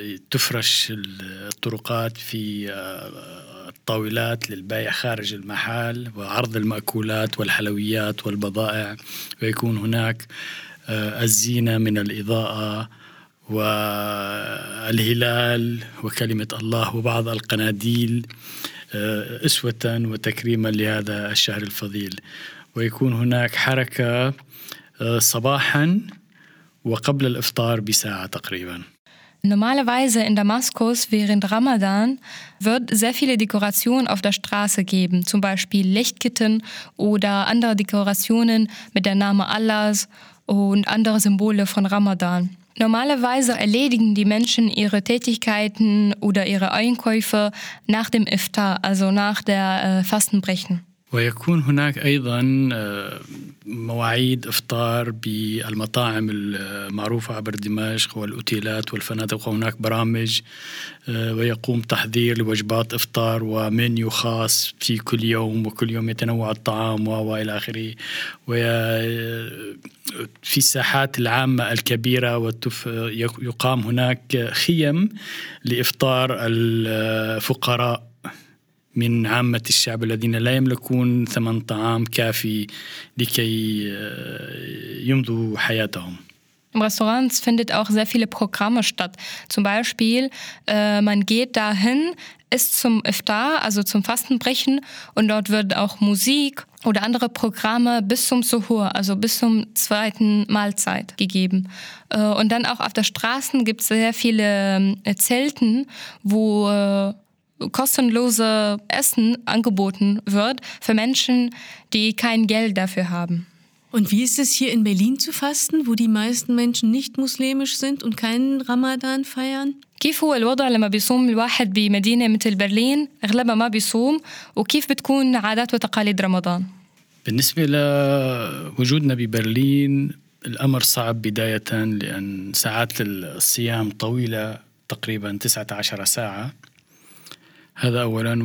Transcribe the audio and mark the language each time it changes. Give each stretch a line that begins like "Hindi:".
Arabic: تفرش الطرقات في الطاولات للبيع خارج المحل وعرض المأكولات والحلويات والبضائع، ويكون هناك الزينة من الإضاءة والهلال وكلمة الله وبعض القناديل أسوة وتكريما لهذا الشهر الفضيل، ويكون هناك حركة صباحا وقبل الإفطار بساعة تقريبا.
German: Normalerweise in Damaskus während Ramadan wird sehr viele Dekorationen auf der Straße geben, zum Beispiel Lichtkitten oder andere Dekorationen mit dem Namen Allahs und andere Symbole von Ramadan. Normalerweise erledigen die Menschen ihre Tätigkeiten oder ihre Einkäufe nach dem Iftar, also nach der Fastenbrechen.
Arabic: ويكون هناك أيضا مواعيد إفطار بالمطاعم المعروفة عبر دمشق والأوتيلات والفنادق، وهناك برامج ويقوم تحضير لوجبات إفطار ومنيو خاص في كل يوم، وكل يوم يتنوع الطعام وإلى آخره، وفي الساحات العامة الكبيرة يقام هناك خيم لإفطار الفقراء من عامة الشعب الذين لا يملكون ثمن طعام كافي لكي يمضوا حياتهم.
German: Im Restaurant findet auch sehr viele Programme statt. Zum Beispiel, man geht dahin, isst zum Iftar, also zum Fastenbrechen, und dort wird auch Musik oder andere Programme bis zum Suhoor, also bis zum zweiten Mahlzeit gegeben. Und dann auch auf der Straße gibt es sehr viele Zelten, wo kostenlose Essen angeboten wird für Menschen, die kein Geld dafür haben. Und wie ist es hier in Berlin zu fasten, wo die meisten Menschen nicht muslimisch sind und keinen Ramadan feiern?
Arabic: كيف هو الوضع لما بيصوم الواحد بمدينة مثل برلين؟ أغلبها ما بيصوم، وكيف بتكون عادات وتقاليد رمضان؟ بالنسبة لوجودنا ببرلين الأمر صعب بداية، لأن ساعات الصيام طويلة تقريبا 19 ساعة، هذا أولا.